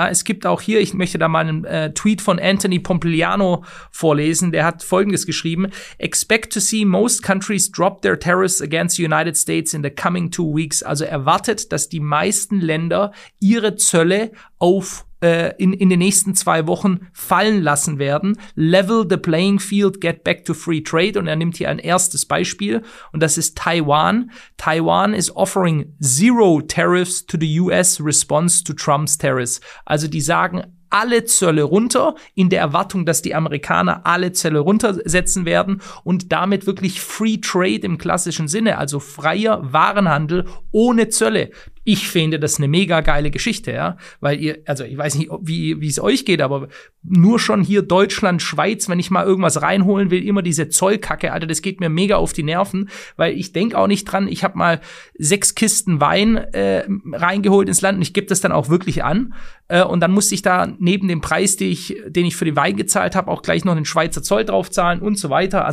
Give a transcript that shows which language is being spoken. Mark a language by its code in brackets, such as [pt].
[de] Ja, es gibt auch hier, ich möchte da mal einen Tweet von Anthony Pompliano vorlesen, der hat Folgendes geschrieben: [en] Expect to see most countries drop their tariffs against the United States in the coming 2 weeks. [de] Also erwartet, dass die meisten Länder ihre Zölle in den nächsten 2 Wochen fallen lassen werden. [en] Level the playing field, get back to free trade. [de] Und er nimmt hier ein erstes Beispiel, und das ist Taiwan. [en] Taiwan is offering zero tariffs to the US response to Trump's tariffs. [de] Also die sagen alle Zölle runter, in der Erwartung, dass die Amerikaner alle Zölle runtersetzen werden und damit wirklich free trade im klassischen Sinne, also freier Warenhandel ohne Zölle. Ich finde das eine mega geile Geschichte, ja, weil ihr, also ich weiß nicht, wie es euch geht, aber nur schon hier Deutschland, Schweiz, wenn ich mal irgendwas reinholen will, immer diese Zollkacke, Alter, das geht mir mega auf die Nerven, weil ich denke auch nicht dran, ich habe mal 6 Kisten Wein reingeholt ins Land, und ich gebe das dann auch wirklich an, und dann musste ich da neben dem Preis, den ich für den Wein gezahlt habe, auch gleich noch einen Schweizer Zoll drauf zahlen und so weiter.